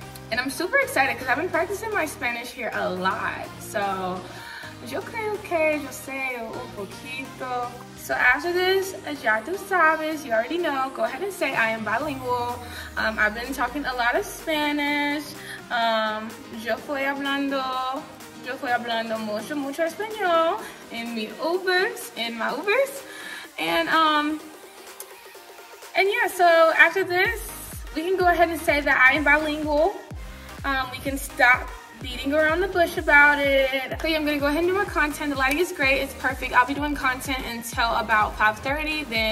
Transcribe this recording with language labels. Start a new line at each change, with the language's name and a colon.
English: And I'm super excited because I've been practicing my Spanish here a lot. So,
Spanish: yo creo que yo sé un poquito.
English: So after this,
Spanish: ya tú sabes,
English: you already know, go ahead and say I am bilingual. I've been talking a lot of Spanish.
Spanish: Yo fui hablando mucho, mucho español
English: in my Ubers. And so after this, we can go ahead and say that I am bilingual. We can stop beating around the bush about it. So yeah, I'm gonna go ahead and do my content. The lighting is great, it's perfect. I'll be doing content until about 5:30.